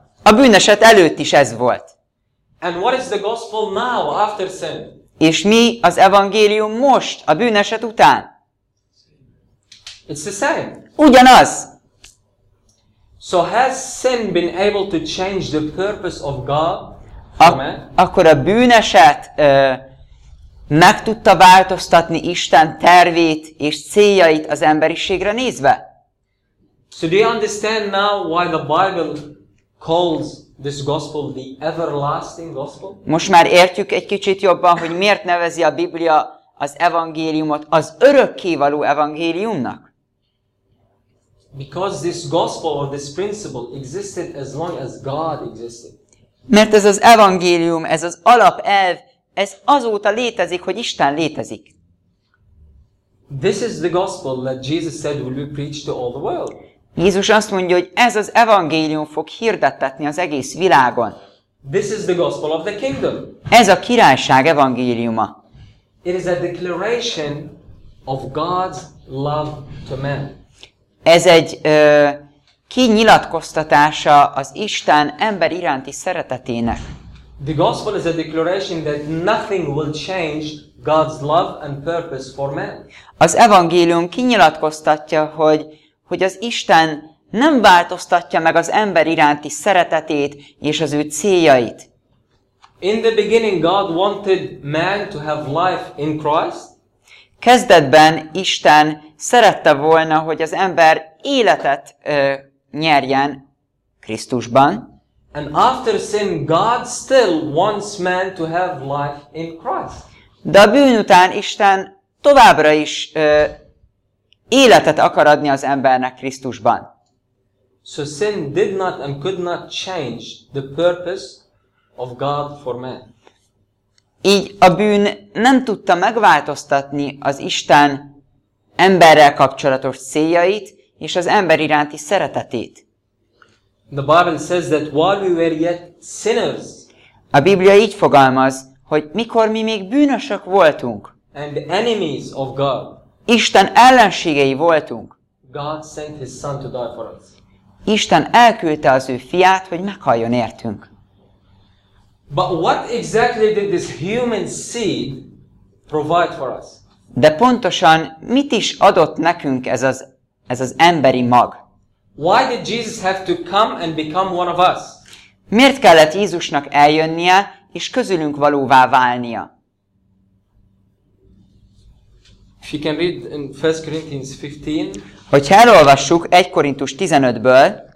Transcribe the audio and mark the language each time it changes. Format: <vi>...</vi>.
<hu>A bűneset előtt is ez volt.</hu> <en>And what is the gospel now after sin?</en> <hu>És mi az evangélium most, a bűneset után?</hu> <en>It's the same.</en> <hu>Ugyanaz.</hu> <en>So has sin been able to change the purpose of God?</en> <hu>Akkor a bűneset meg tudta változtatni Isten tervét és céljait az emberiségre nézve?</hu> <en>So do you understand now why the Bible calls this gospel the everlasting gospel?</en> <hu>Most már értjük egy kicsit jobban, hogy miért nevezi a Biblia az evangéliumot az örökkévaló evangéliumnak?</hu> <en>Because this gospel or this principle existed as long as God existed.</en> <hu>Mert ez az evangélium, ez az alapelv, ez azóta létezik, hogy Isten létezik.</hu> <en>This is the gospel that Jesus said will be preached to all the world.</en> <hu>Jézus azt mondja, hogy ez az evangélium fog hirdettetni az egész világon.</hu> <en>This is the gospel of the kingdom.</en> <hu>Ez a királyság evangéliuma.</hu> <en>It is a declaration of God's love to man.</en> <hu>Ez egy kinyilatkoztatása az Isten ember iránti szeretetének.</hu> <en>The gospel is a declaration that nothing will change God's love and purpose for man.</en> <hu>Az evangélium kinyilatkoztatja, hogy az Isten nem változtatja meg az ember iránti szeretetét és az ő céljait.</hu> <en>In the beginning God wanted man to have life in Christ.</en> <hu>Kezdetben Isten szerette volna, hogy az ember életet nyerjen Krisztusban.</hu> <en>And after sin God still wants man to have life in Christ.</en> <hu>De a bűn után Isten továbbra is életet akar adni az embernek Krisztusban.</hu> <en>So sin did not and could not change the purpose of God for man.</en> <hu>Így a bűn nem tudta megváltoztatni az Isten emberrel kapcsolatos céljait és az ember iránti szeretetét.</hu> <en>The Bible says that while we were yet sinners.</en> <hu>A Biblia így fogalmaz, hogy mikor mi még bűnösök voltunk.</hu> <en>And the enemies of God.</en> <hu>Isten ellenségei voltunk.</hu> <en>God sent his son to die for us.</en> <hu>Isten elküldte az ő fiát, hogy meghaljon értünk.</hu> <en>But what exactly did this human seed provide for us?</en> <hu>De pontosan mit is adott nekünk ez az emberi mag?</hu> <en>Why did Jesus have to come and become one of us?</en> <hu>Miért kellett Jézusnak eljönnie és közülünk valóvá válnia?</hu> <en>If you can read in 1 Corinthians 15.</en> <hu>Hogyha elolvassuk 1 Korintus 15-ből.</hu>